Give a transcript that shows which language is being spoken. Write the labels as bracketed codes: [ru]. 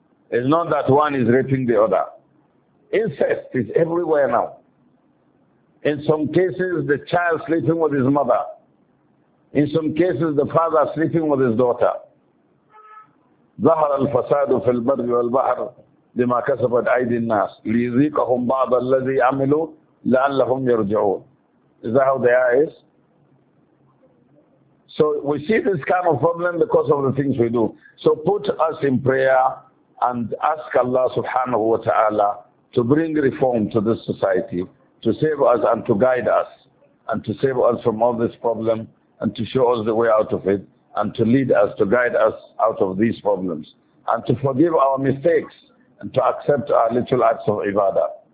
[en] It's not that one is raping the other. Incest is everywhere now. In some cases, the child sleeping with his mother. In some cases, the father sleeping with his daughter. [ar] ظهر الفساد في البر والبحر بما كسبت أيدي الناس ليذيقهم بعض الذي عملوا لعلهم يرجعون. [en] Is that how the eye is? So we see this kind of problem because of the things we do. So put us in prayer and ask Allah subhanahu wa ta'ala to bring reform to this society, to save us and to guide us, and to save us from all this problem, and to show us the way out of it, and to lead us, to guide us out of these problems, and to forgive our mistakes, and to accept our little acts of ibadah.